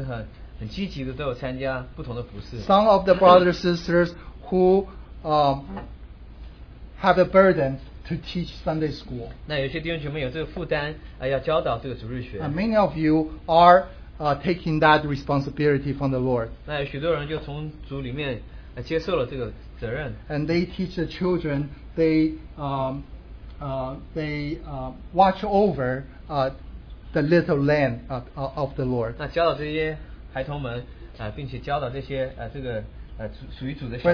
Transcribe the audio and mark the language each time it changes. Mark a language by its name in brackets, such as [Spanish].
[Chinese] 那我们也感谢主我们在座的许多弟兄姐妹们，他们就是很积极的都有参加不同的服事。 [English] Some of the brothers and sisters who have a burden to teach Sunday school. [Chinese] 那有些弟兄姐妹有这个负担, [English] and many of you are taking that responsibility from the Lord. [Chinese] 那有许多人就从主里面, [English] and they teach the children, they watch over the little lamb of the Lord. [Chinese] 那教导这些孩童们, 并且教导这些, 这个, 属于主的小孩,